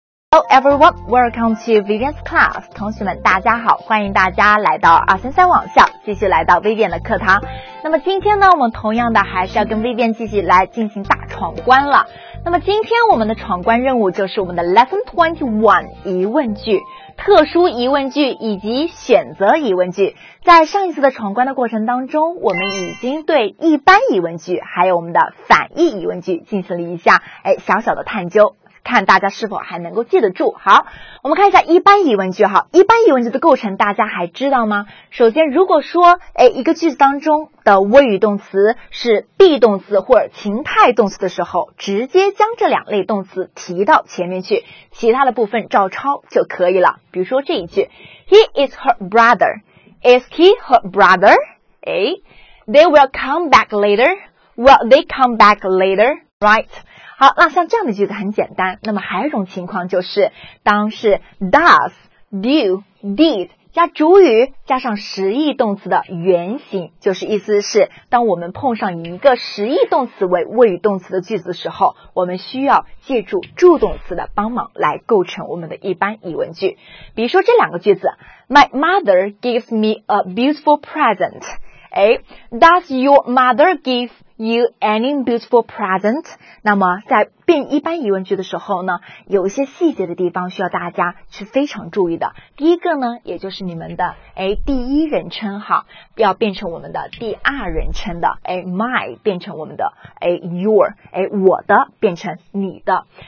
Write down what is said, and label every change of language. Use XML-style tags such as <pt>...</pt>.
<en>Hello everyone, welcome to Vivian's class.</en> <zh>同学们大家好，欢迎大家来到233网校，继续来到 Vivian 的课堂。那么今天呢，我们同样的还是要跟 Vivian 继续来进行大闯关了。那么今天我们的闯关任务就是我们的 Lesson 21疑问句，特殊疑问句以及选择疑问句。在上一次的闯关的过程当中，我们已经对一般疑问句还有我们的反义疑问句进行了一下小小的探究，看大家是否还能够记得住。好，我们看一下一般疑问句。好，一般疑问句的构成大家还知道吗？首先如果说一个句子当中的谓语动词是 be 动词或者情态动词的时候，直接将这两类动词提到前面去，其他的部分照抄就可以了。比如说这一句，</zh> <en>He is her brother. Is he her brother? They will come back later. Will they come back later? Right?</en> <zh>好，那像这样的句子很简单。那么还有一种情况，就是当是 does, do, did 加主语加上实义动词的原型，就是意思是当我们碰上一个实义动词为谓语动词的句子的时候，我们需要借助助动词的帮忙来构成我们的一般疑问句。比如说这两个句子，</zh> <en>My mother gives me a beautiful present. Does your mother give you any beautiful present?</en> <zh>那么在变一般疑问句的时候呢，有一些细节的地方需要大家去非常注意的。第一个呢，也就是你们的第一人称好要变成我们的第二人称的my 变成我们的your 我的变成你的。</zh>